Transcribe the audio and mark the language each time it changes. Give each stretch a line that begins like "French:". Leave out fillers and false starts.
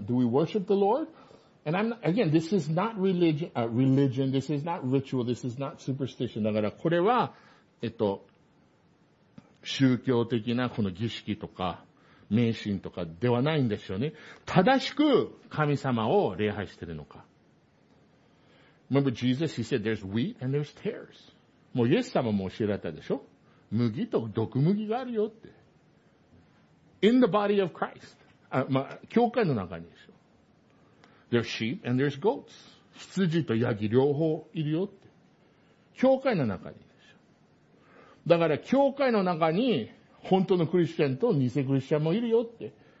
English: Do we worship the Lord? And I'm not, again, this is not religion, this is not ritual, this is not superstition.
Japanese: だからこれは、宗教的なこの儀式とか、迷信とかではないんですよね。正しく神様を礼拝してるのか。
English: Remember Jesus, he said, there's wheat and there's tares.
Japanese: もうイエス様も教えられたでしょ麦と毒麦があるよって。
English: In the body of Christ.
Japanese: あまあ、教会の中にでしょ
English: There's sheep and there's goats.
Japanese: 羊とヤギ両方いるよって。教会の中にでしょだから教会の中に本当のクリスチャンと偽クリスチャンもいるよって。